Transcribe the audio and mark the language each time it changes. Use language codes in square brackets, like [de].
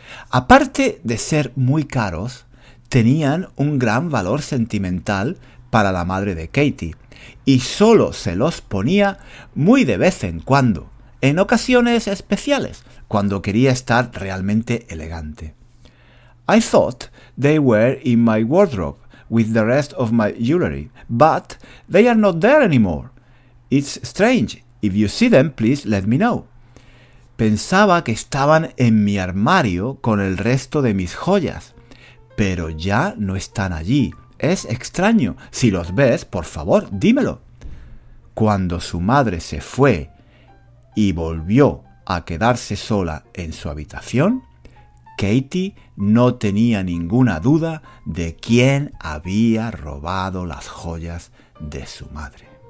[es] Aparte de ser muy caros, tenían un gran valor sentimental para la madre de Katie. Y solo se los ponía muy de vez en cuando. En ocasiones especiales, cuando quería estar realmente elegante. [en] I thought they were in my wardrobe with the rest of my jewelry, but they are not there anymore. It's strange. If you see them, please let me know. [es] Pensaba que estaban en mi armario con el resto de mis joyas, pero ya no están allí. Es extraño. Si los ves, por favor, dímelo. Cuando su madre se fue y volvió a quedarse sola en su habitación, Katie no tenía ninguna duda de quién había robado las joyas de su madre.